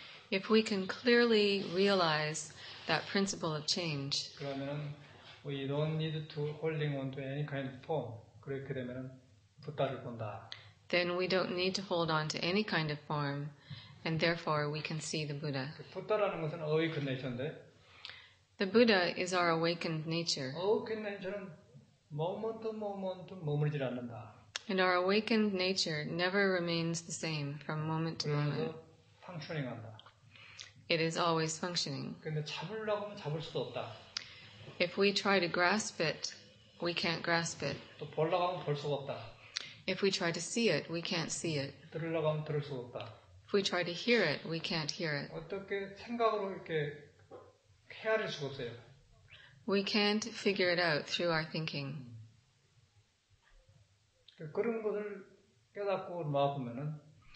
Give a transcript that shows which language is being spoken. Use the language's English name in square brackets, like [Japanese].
[English] If we can clearly realize that principle of change, we don't need to holding on to any kind of form. [Korean] 그렇게 되면은 부다를 본다. [English] Then we don't need to hold on to any kind of form, and therefore we can see the Buddha. [Korean] 부다라는 것은 awakened nature인데. [English] The Buddha is our awakened nature. [Korean] Awakened nature는 머뭇머뭇 머물지 않는다. [English] And our awakened nature never remains the same from moment to moment. [Korean] 그래서 functioning한다. [English] It is always functioning. [Korean] 근데 잡으려고 하면 잡을 수도 없다. [English] If we try to grasp it, we can't grasp it. [Korean] 또 보려고 하면 볼 수가 없다. [English] If we try to see it, we can't see it. [Korean] 들으려고 하면 들을 수가 없다. [English] If we try to hear it, we can't hear it. [Korean] 어떻게 생각으로 이렇게 헤아릴 수가 없어요. [English] We can't figure it out through our thinking. [Korean] 그런 것을 깨닫고 놓아보면은